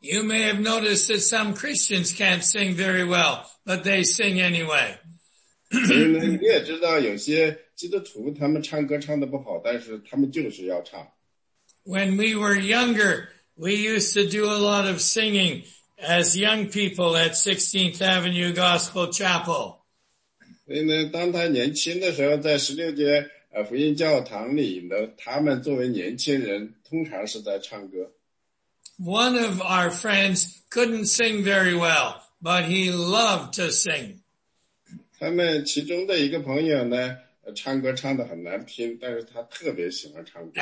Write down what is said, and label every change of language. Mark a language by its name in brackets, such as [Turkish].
[English] You may have noticed that some Christians can't sing very well, but they sing anyway. [Chinese] 你也知道有些基督徒他们唱歌唱得不好，但是他们就是要唱。 [English] When we were younger, We used to do a lot of singing as young people at 16th Avenue Gospel Chapel. [Chinese] 所以呢，当他年轻的时候，在16街福音教堂里呢，他们作为年轻人，通常是在唱歌。 [English] One of our friends couldn't sing very well, but he loved to sing. [Chinese] 他们其中的一个朋友呢，唱歌唱得很难听，但是他特别喜欢唱歌。